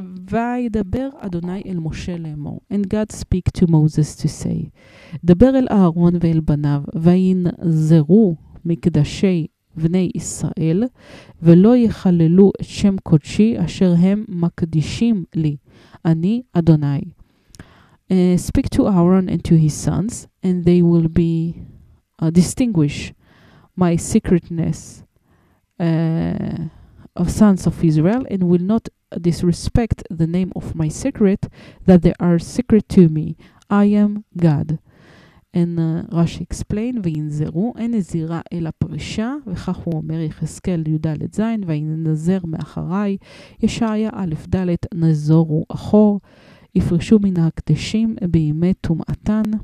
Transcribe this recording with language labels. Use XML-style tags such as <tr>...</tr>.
<he>וידבר אדוני אל משה לאמור,</he> <en>and God speak to Moses to say,</en> <he>דבר אל אהרון ואל בניו, וינזרו מקדשי בני ישראל, ולא יחללו את שם קודשי אשר הם מקדישים לי, אני אדוני.</he> <en>Speak to Aaron and to his sons, and they will be distinguish my secretness of sons of Israel, and will not disrespect the name of my secret, that they are secret to me. I am God. And Rashi explained,</en> <he>וינזרו, אין נזירה אלא פרישה, וכך הוא אומר, יחזקאל יוד זין, וינזר מאחריי, ישעיה א' ד' נזורו אחור, יפרשו מן הקדשים בימי טומאתן.</he>